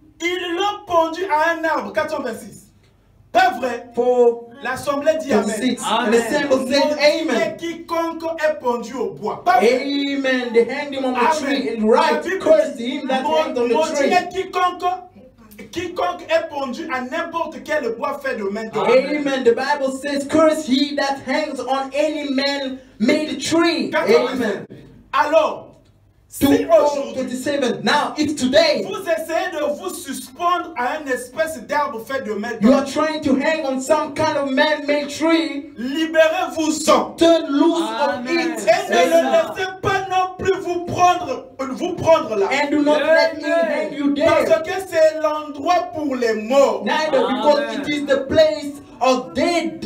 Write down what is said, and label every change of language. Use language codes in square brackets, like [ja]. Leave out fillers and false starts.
[fr] Ils l'ont pendu à un arbre, 426. Pas vrai. Pour l'assemblée dit amen. Amen. Amen. Quiconque est pendu au bois. Pas vrai. Amen. [en] They hanged him on the tree and right cursed him that hanged on the tree. [fr] Quiconque est pendu à n'importe quel bois fait de main d'homme. Amen. Amen. [en] The Bible says, curse he that hangs on any man-made tree. Amen. [fr] Alors. [en] To 27. Now it's today. [fr] Vous essayez de vous suspendre à une espèce d'arbre fait de main. [en] You are trying to hang on some kind of man-made tree. [fr] Libérez-vous-en. [en] Turn loose of it. [fr] Et ne le laissez pas non plus vous prendre là. [en] And do not let it hang you there. [fr] Parce que c'est l'endroit pour les morts. [en] Neither, because it is the place of dead.